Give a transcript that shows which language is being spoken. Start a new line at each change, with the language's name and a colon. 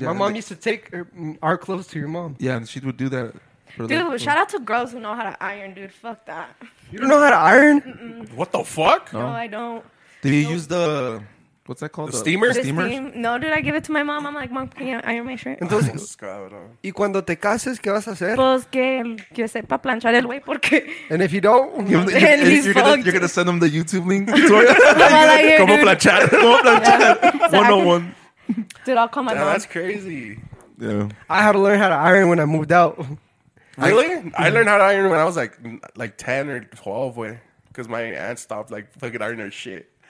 English: Yeah. My mom used to take our clothes to your mom. Yeah, and she would do that. Dude, shout out to girls who know how to iron, dude. Fuck that. You don't know how to iron? Mm-mm. What the fuck? No, I don't. Did you use the... What's that called? The steamer? No, dude, I give it to my mom. I'm like, mom, can you iron my shirt?
Spanish: Entonces, ¿y cuando te cases, qué vas a hacer? Pues que sepa planchar el güey, porque...
English: And if you don't... You're going to send him the YouTube link?
Spanish: ¿Cómo planchar? ¿Cómo planchar?
English: Yeah. So 101. Dude, I'll call my mom. That's crazy. Yeah. I had to learn how to iron when I moved out. Really? I learned how to iron when I was like 10 or 12, boy, because my aunt stopped like fucking ironing her shit.